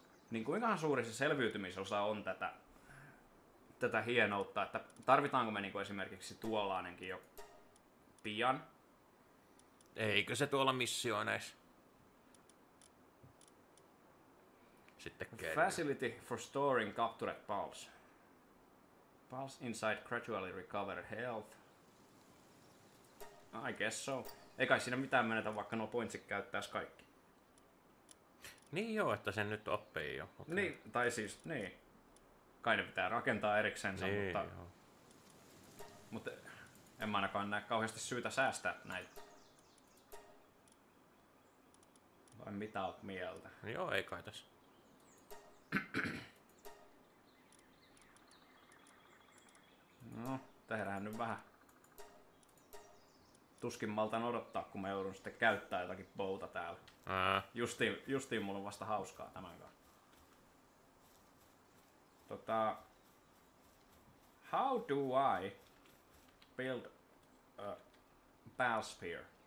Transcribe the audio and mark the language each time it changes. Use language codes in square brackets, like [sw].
[fi] Niin kuinkahan suuri se selviytymisosa on tätä hienoutta, että tarvitaanko me niinku esimerkiksi tuollainenkin jo pian? Eikö se tuolla missioineissa? [en] Facility for storing captured pulse. Pulse inside gradually recover health. I guess so. [fi] Ei kai siinä mitään menetä, vaikka nuo pointsit käyttäis kaikki. Niin joo, että sen nyt oppii jo. [en] Okay. [fi] Niin, tai siis, niin. Kai ne pitää rakentaa eriksensä, niin, mutta... Joo. Mutta en mä ainakaan näe kauheasti syytä säästää näitä. Vai mitä oot mieltä? Joo, ei kai tässä. No, tehdään nyt vähän. Tuskin maltan odottaa, kun mä joudun sitten käyttää jotakin bouta täällä. Justiin mulla on vasta hauskaa tämän kanssa. [en] How do I build a pal spear?